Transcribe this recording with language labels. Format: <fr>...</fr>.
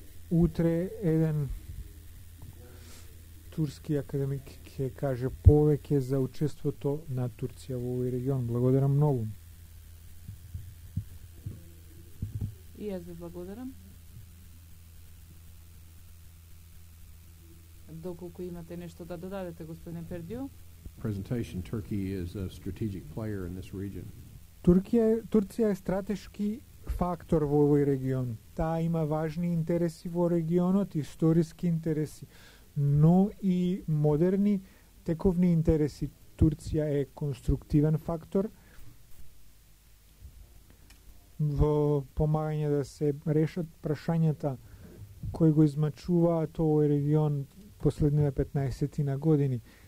<mk>Утре еден турски академик ќе каже повеќе за учеството на Турција во овој регион. Благодарам многу. И јас ви благодарам. Доколку имате нешто да додадете, господине Пердио?</mk> <en>Presentation: Turkey is a strategic player in this region.</en> <mk>Турција е стратешки фактор во овој регион. Таа има важни интереси во регионот, историски интереси, но и модерни тековни интереси. Турција е конструктивен фактор во помагање да се решат прашањата кои го измачуваат овој регион последните 15-тина години.</mk>